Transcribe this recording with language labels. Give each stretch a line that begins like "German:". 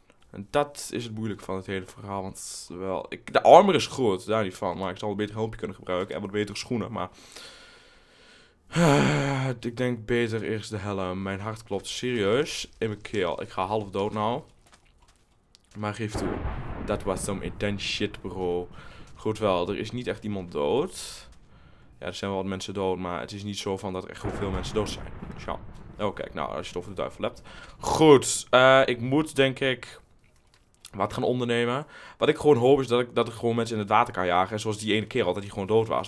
Dutch: En dat is het moeilijke van het hele verhaal. Want wel, de armor is goed, daar niet van. Maar ik zal een beter helmpje kunnen gebruiken en wat betere schoenen. Maar ik denk beter eerst de helm. Mijn hart klopt serieus in mijn keel. Ik ga half dood nou. Maar geef toe.
English: That was some intense shit, bro.
Dutch: Goed wel, er is niet echt iemand dood. Ja, er zijn wel wat mensen dood, maar het is niet zo van dat er echt veel mensen dood zijn. Tja. Oh, kijk, nou, als je het over de duivel hebt. Goed, ik moet denk ik wat gaan ondernemen. Wat ik gewoon hoop is dat ik gewoon mensen in het water kan jagen. Zoals die ene kerel, dat hij gewoon dood was.